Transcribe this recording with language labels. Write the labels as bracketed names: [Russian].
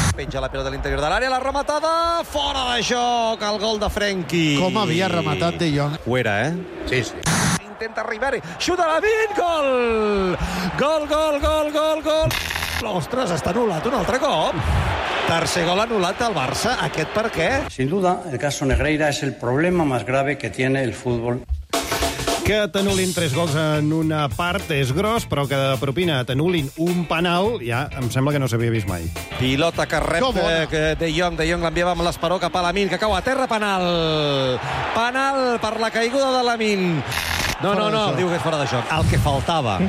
[Catalan] Penja la pilota a l'interior de l'àrea, la rematada, fora de joc, el gol de Frenkie. Com havia rematat De Jong. Ho era, Sí, sí. Intenta Ribéry, xuta la vint, gol! Gol, gol, gol, gol, gol. Ostres, està anul·lat un altre cop. Tercer gol anul·lat al Barça, aquest per què? [Spanish] Sin duda, el caso Negreira es el problema más grave que tiene el fútbol. [Catalan] Que t'anul·lin tres gols en una part és gros, però que de propina t'anul·lin un penal, ja em sembla que no s'havia vist mai. Pilota que rep De Jong. De Jong l'enviava amb l'esperó cap a Lamin, que cau a terra, penal. Penal per la caiguda de Lamin. No, fora no, no, diu que és fora de joc. El que faltava.